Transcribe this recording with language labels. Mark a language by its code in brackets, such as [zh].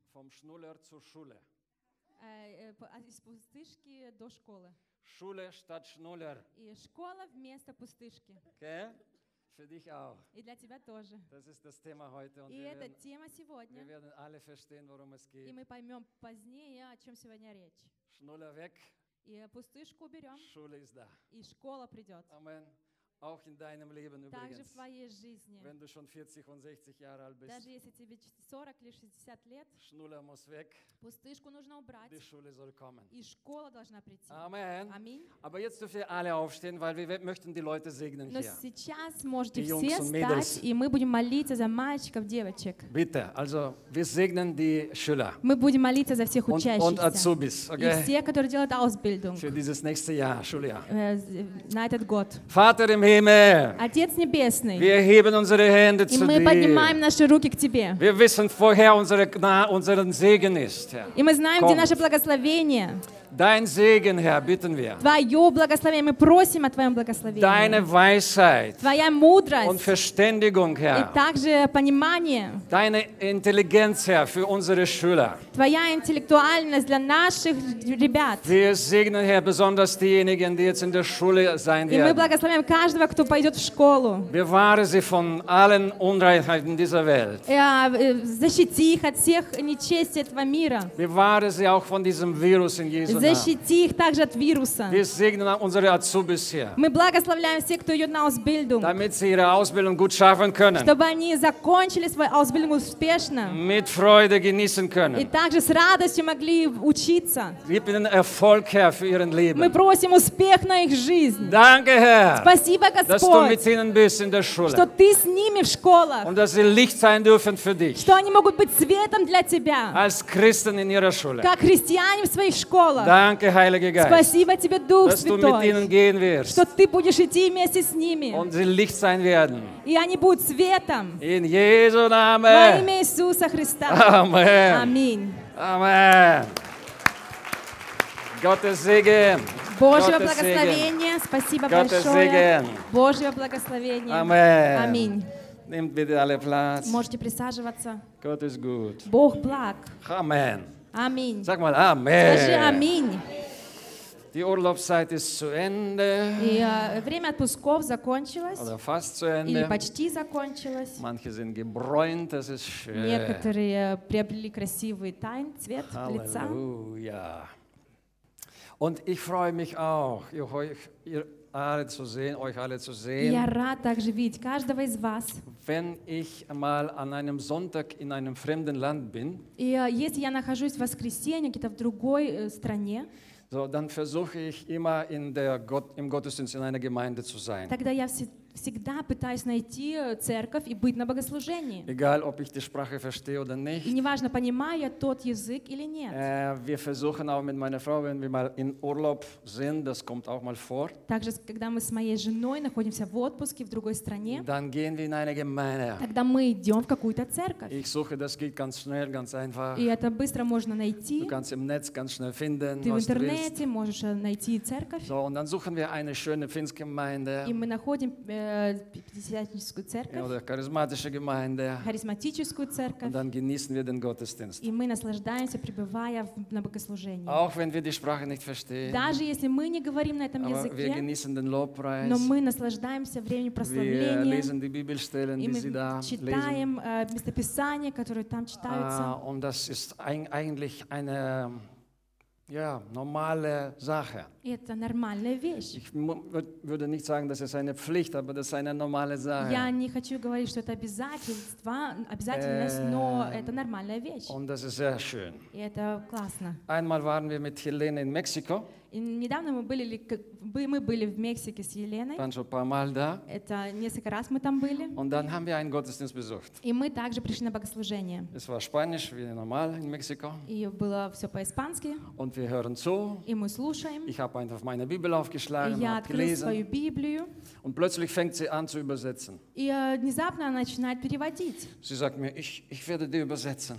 [de] Vom Schnuller zur Schule. [ru] Из пустышки до школы. [de] Schule statt Schnuller. [ru] И школа вместо пустышки. [de] Okay. Für dich auch. [ru] И для тебя тоже. [de] Das ist das Thema heute. [ru] И это тема сегодня. [de] Wir werden alle verstehen, worum es geht. [ru] И мы поймем позднее, о чем сегодня речь. [de] Schnuller weg. [ru] И пустышку уберем. [de] Schule ist da. [ru] И школа придет. [de] Amen. Auch in deinem Leben übrigens. [ru] Также в твоей жизни. [de] Wenn du schon 40 und 60 Jahre alt bist. [ru] Даже если тебе 40 или 60 лет. [de] Schnuller muss weg. [ru] Пустышку нужно убрать. [de] Die Schule soll kommen. [ru] И школа должна прийти. [de] Amen. [ru] Amen. [de] Aber jetzt dürfen alle aufstehen, weil wir möchten die Leute segnen hier. [ru] Но сейчас можете все встать, и мы будем молиться за мальчиков, девочек. [de] Bitte, also wir segnen die Schüler. [ru] Мы будем молиться за всех учащихся. [de] Und Azubis, okay? [ru] И все, которые делают Ausbildung. [de] Für dieses nächste Jahr, Schuljahr. [ru] На этот год. [de] Vater im [ru] Отец Небесный, [de] wir heben unsere Hände zu [ru] мы [de] dir. [ru] Поднимаем наши руки к Тебе. [de] Wir wissen, woher unseren Segen ist. [ru] И мы знаем, [de] Kommt. [ru] Где наше благословение. [de] Dein Segen, Herr, bitten wir. [ru] Твое благословение, мы просим о Твоем благословении. [de] Deine Weisheit. [ru] Твоя мудрость. [de] Und Verständigung, Herr. [ru] И также понимание. [de] Deine Intelligenz, Herr, für unsere Schüler. [ru] Твоя интеллектуальность для наших ребят. [de] Wir segnen, Herr, besonders diejenigen, die jetzt in der Schule sein werden. [ru] И мы благословляем каждого, кто пойдет в школу. [de] Bewahre sie von allen Unreinheiten dieser Welt. [ru] Защити их от всех нечестий этого мира. [de] Bewahre sie auch von diesem Virus in Jesu. [ru] Защити их также от вируса. [de] Wir segnen unsere Azubis hier. [ru] Мы благословляем всех, кто идет на Ausbildung. [de] Damit sie ihre Ausbildung gut schaffen können. [ru] Чтобы они закончили свою Ausbildung успешно. [de] Mit Freude genießen können. [ru] И также с радостью могли учиться. [de] Gib ihnen Erfolg, Herr, für ihren Leben. [ru] Мы просим успех на их жизнь. [de] Danke, Herr. [ru] Спасибо, Господь. [de] Dass du mit ihnen bist in der Schule. [ru] Что ты с ними в школах. [de] Und dass sie Licht sein dürfen für dich. [ru] Что они могут быть светом для тебя. [de] Als Christen in ihrer Schule. [ru] Как христиане в своих школах. [de] Danke, Heiliger Geist. [ru] Спасибо тебе, Дух [de] dass [ru] Святой, [de] du mit ihnen gehen wirst. [ru] Что ты будешь идти вместе с ними. [de] Und sie Licht sein werden. [ru] И они будут светом. [de] In Jesu Name. [ru] Во имя Иисуса Христа. [de] Amen. [ru] Amen. [de] Amen. Gottes Segen. [ru] Божье благословение. Спасибо [de] Gottes [ru] большое. [de] Segen. [ru] Божье благословение. [de] Amen. [ru] Amen. [de] Nehmt bitte alle Platz. [ru] Можете присаживаться. [de] Gott ist gut. [ru] Бог благ. [de] Amen. [ru] Amen. [de] Sag mal Amen. [ru] Скажи Amen. [de] Die Urlaubszeit ist zu Ende. [ru] И время отпусков закончилось. [de] Oder fast zu Ende. [ru] Или почти закончилось. [de] Manche sind gebräunt, das ist schön. [ru] Некоторые приобрели красивый тайн, цвет [de] Halleluja. [ru] Лица. [de] Halleluja. Und ich freue mich auch, ihr alle zu sehen, euch alle zu sehen. [ru] Я рад также видеть каждого из вас. [de] Wenn ich mal an einem Sonntag in einem fremden Land bin, [ru] если я нахожусь в воскресенье где-то в другой стране, [de] so, dann versuche ich immer im Gottesdienst in einer Gemeinde zu sein. [ru] Тогда я всегда всегда пытаюсь найти церковь и быть на богослужении. [de] Egal, ob ich die Sprache verstehe oder nicht. [ru] Неважно, понимаю я тот язык или нет. [de] Wir versuchen auch mit meiner Frau, wenn wir mal in Urlaub sind, das kommt auch mal vor. [ru] Также, когда мы с моей женой находимся в отпуске в другой стране. [de] Dann gehen wir in eine Gemeinde. [ru] Тогда мы идем в какую-то церковь. [de] Ich suche, das geht ganz schnell, ganz einfach. [ru] И это быстро можно найти. [de] Du kannst im Netz ganz schnell finden, [ru] ты в интернете можешь найти церковь. [de] So, und dann suchen wir eine schöne finnische Gemeinde. [ru] И мы находим пятидесятническую церковь. [de] Oder charismatische Gemeinde. [ru] Харизматическую церковь. [de] Und dann genießen wir den Gottesdienst. [ru] И мы наслаждаемся, пребывая на богослужении. [de] Auch wenn wir die Sprache nicht verstehen. [ru] Даже если мы не говорим на этом [de] aber [ru] языке. [de] Wir genießen den Lobpreis. [ru] Но мы наслаждаемся временем прославления. [de] Wir lesen die Bibelstellen, die sie da lesen. [ru] И мы читаем местописания, которые там читаются. [de] Und das ist eigentlich eine ja, normale Sache. [ru] Это нормальная вещь. [de] Ich würde nicht sagen, das ist eine Pflicht, aber das ist eine normale Sache. [ru] Я не хочу говорить, что это обязательность, но это нормальная вещь. [de] Und das ist sehr schön. [ru] И это классно. [de] Einmal waren wir mit Helene in Mexiko. [ru] И недавно мы были в Мексике с Еленой. [de] Dann schon ein paar Mal da. [ru] Это несколько раз мы там были. [de] Und dann haben wir einen Gottesdienst besucht. [ru] И мы также пришли на богослужение. [de] Es war Spanisch, wie normal in Mexiko. [ru] И было все по-испански. [de] Und wir hören zu. [ru] И мы слушаем. [de] Ich habe einfach meine Bibel aufgeschlagen und habe gelesen. [ru] Свою Библию. [de] Und plötzlich fängt sie an zu übersetzen. [ru] И внезапно она начинает переводить. [de] Sie sagt mir, ich werde dir übersetzen.